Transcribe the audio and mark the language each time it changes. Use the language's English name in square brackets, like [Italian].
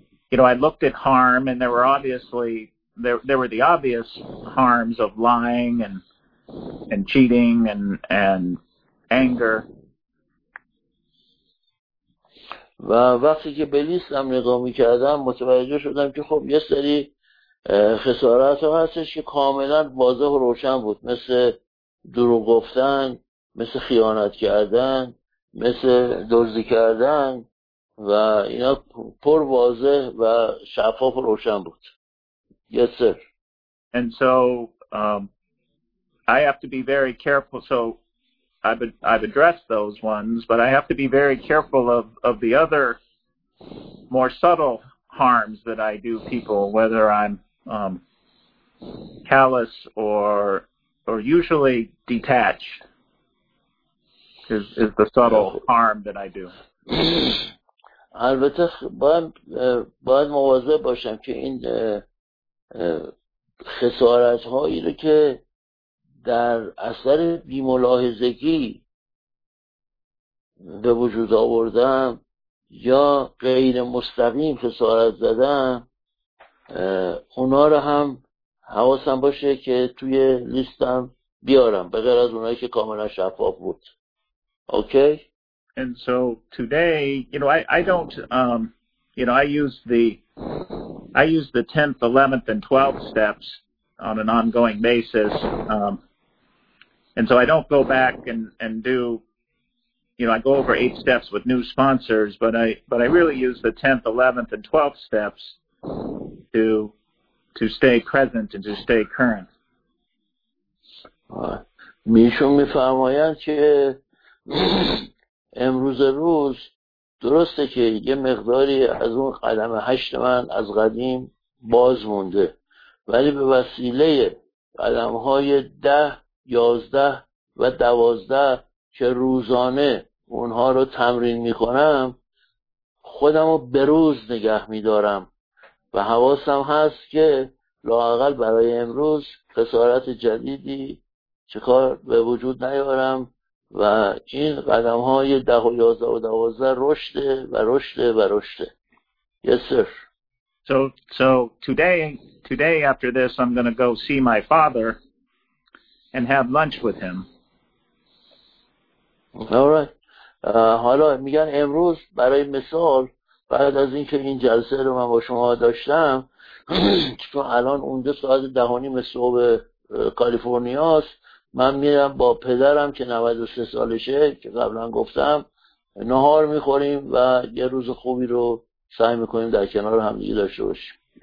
[English] you know, I looked at harm, and there were obviously there were the obvious harms of lying and cheating and anger. [Persian] و وقتی که به لیستم نگاه میکردم متوجه شدم که خب یه سری خسارات هستش که کاملا واضح و روشن بود، مثل دروغ گفتن، مثل خیانت کردن، مثل دزدی کردن، و اینا پر واضح و شفاف و روشن بود. [English] Yes sir. And so I have to be very careful. So I've addressed those ones, but I have to be very careful of the other more subtle harms that I do people, whether I'm callous or usually detached is the subtle harm that I do. [Persian] البته باید مواظب باشم که این خسارت هایی رو که در اثر بی‌ملاحظگی به وجود آوردم یا غیر مستقیم خسارت زدم، اونا رو هم حواسم باشه که توی لیستم بیارم، به غیر از اونایی که کاملا شفاف بود. اوکی؟ [English] And so today, you know, I don't, you know, I use the 10th, 11th, and 12th steps on an ongoing basis. And so I don't go back and do, you know, I go over 8 steps with new sponsors, but I really use the 10th, 11th, and 12th steps to stay present and to stay current. [Persian] میشون میفرماید که امروز روز درسته که یه مقداری از اون قلم هشت من از قدیم باز مونده، ولی به وسیله قلم های 10, 11, و 12 که روزانه اونها رو تمرین میکنم خودم رو بروز نگه میدارم و حواسم هست که لااقل برای امروز خسارت جدیدی چیکار به وجود نیارم و این قدم های 10, 11, و 12 رشده و رشده و رشده. [English] Yes sir. So today after this I'm going to go see my father and have lunch with him. Alright. [Persian] حالا میگن امروز برای مثال بعد از اینکه این جلسه رو من با شما داشتم چون الان اونجا ساعت 10:30 صبح کالیفرنیا است، من میرم با پدرم که 93 سالشه که قبلا گفتم نهار میخوریم و یه روز خوبی رو سعی میکنیم در کنار هم دیگه داشته باشیم.